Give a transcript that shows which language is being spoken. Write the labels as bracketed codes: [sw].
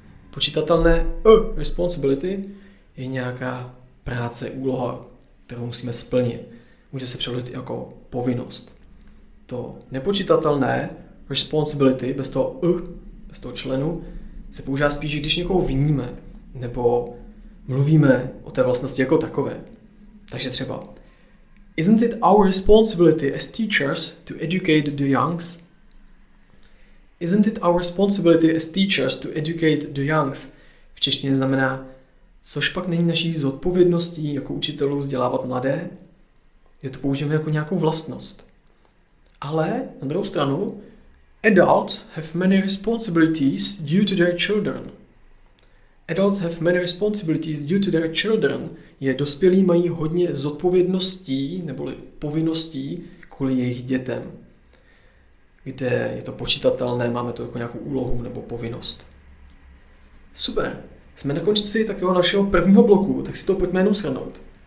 [cs] Počitatelné responsibility je nějaká práce, úloha, kterou musíme splnit. Může se přeložit jako povinnost. To nepočitatelné responsibility bez toho z toho členu, se používá spíš, když někoho viníme nebo mluvíme o té vlastnosti jako takové. Takže třeba, [en] isn't it our responsibility as teachers to educate the youngs? Isn't it our responsibility as teachers to educate the youngs? [cs] V češtině znamená, což pak není naší zodpovědností jako učitelů vzdělávat mladé? Je to použijeme jako nějakou vlastnost. Ale na druhou stranu, [en] adults have many responsibilities due to their children. Adults have many responsibilities due to their children. [cs] Je dospělí mají hodně zodpovědností neboli povinností kvůli jejich dětem. Kde je to počítatelné, máme to jako nějakou úlohu nebo povinnost. Super, jsme na konci takého našeho prvního bloku, tak si to pojďme jenom shrnout.